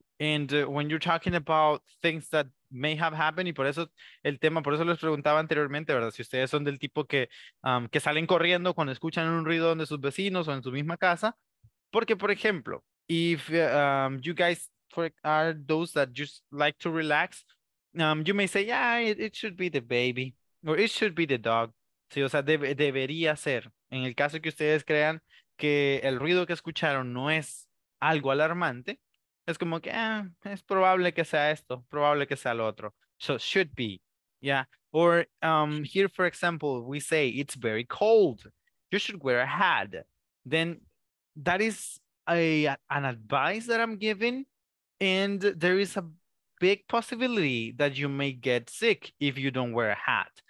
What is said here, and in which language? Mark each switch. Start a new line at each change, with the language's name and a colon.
English: And when you're talking about things that may have happened,
Spanish: y por eso el tema, por eso les preguntaba anteriormente, ¿verdad? Si ustedes son del tipo que salen corriendo cuando escuchan un ruido de sus vecinos o en su misma casa. Porque, por ejemplo,
English: if you guys are those that just like to relax, you may say, yeah, it should be the baby or it should be the dog.
Spanish: Sí, o sea, debería ser. En el caso que ustedes crean que el ruido que escucharon no es algo alarmante, es como que es probable que sea esto, probable que sea lo otro.
English: So should be, yeah. Or here, for example, we say it's very cold. You should wear a hat. Then that is an advice that I'm giving. And there is a big possibility that you may get sick if you don't wear a hat.